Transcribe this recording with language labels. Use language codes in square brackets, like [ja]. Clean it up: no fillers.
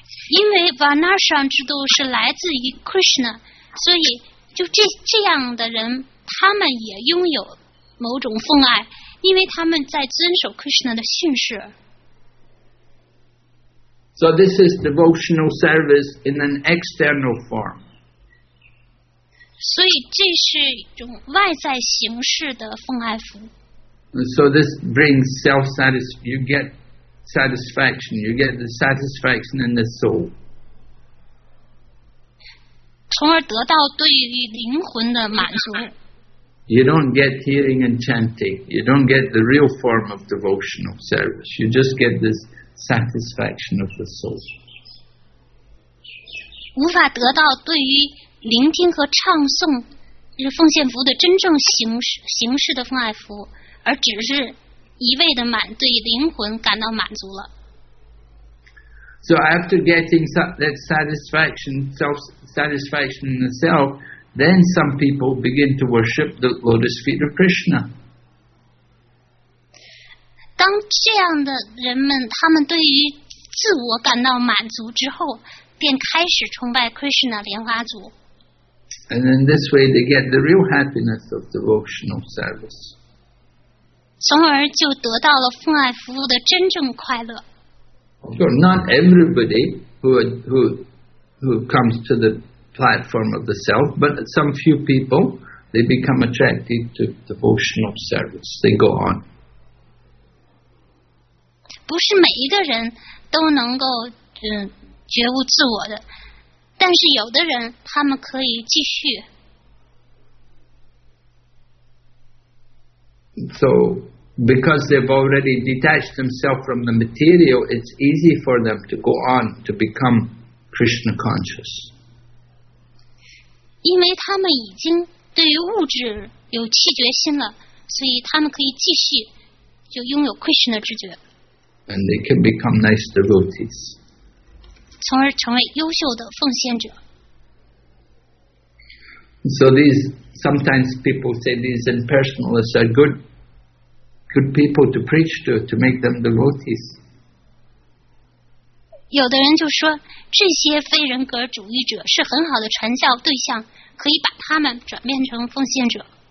[zh] 因为 varnashram 制度是来自于 Krishna， 所以就这样的人，他们也拥有某种奉爱，因为他们在遵守 Krishna 的训示。 [en] So this is devotional service in an external form. [zh] 所以这是一种外在形式的奉爱服务。 [en] So this brings self-satisfaction, you get satisfaction, you get the satisfaction in the soul. [zh] 从而得到对于灵魂的满足。 [en] You don't get hearing and chanting, you don't get the real form of devotional service, you just get this satisfaction of the soul. [zh] 无法得到对于聆听和唱诵，就是奉献服务的真正形式的奉爱服务，而只是一味的满对灵魂感到满足了。 [en] So after getting that satisfaction, self-satisfaction in the self, then some people begin to worship the lotus feet of Krishna. [zh] 当这样的人们，他们对于自我感到满足之后，便开始崇拜 Krishna 莲花足。 [en] And in this way, they get the real happiness of devotional service. [zh] 从而就得到了奉爱服务的真正快乐。 [en] Sure, not everybody who comes to the platform of the self, but some few people, they become attracted to devotional service. They go on. [zh] 不是每一个人都能够觉悟自我的，但是有的人他们可以继续。 [en] So, because they've already detached themselves from the material, it's easy for them to go on to become Krishna conscious. [zh] 因为他们已经对于物质有弃觉心了，所以他们可以继续就拥有 Krishna 知觉。 [en] And they can become nice devotees. [zh] 从而成为优秀的奉献者。 [en] So these, sometimes people say these impersonalists are good. Good people to preach to make them devotees. [zh] 有的人就说这些非人格主义者是很好的传教对象，可以把他们转变成奉献者。